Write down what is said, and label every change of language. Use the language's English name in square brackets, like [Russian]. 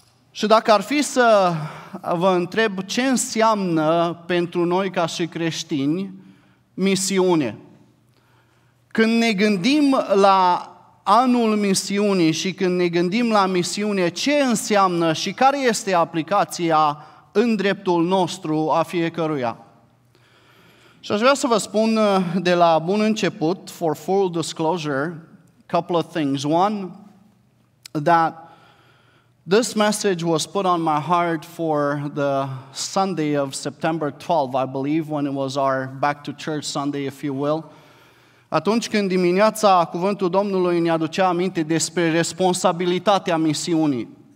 [Romanian] Și dacă ar fi să vă întreb ce înseamnă pentru noi ca și creștini misiune, când ne gândim la anul misiunii și când ne gândim la misiune, ce înseamnă și care este aplicația în dreptul nostru a fiecăruia? Și aș vrea să vă spun de la bun început, [English] for full disclosure, a couple of things. One, that this message was put on my heart for the Sunday of September 12, I believe, when it was our back to church Sunday, if you will. [Romanian] Atunci când dimineața cuvântul Domnului ne aducea aminte despre responsabilitatea misiunii.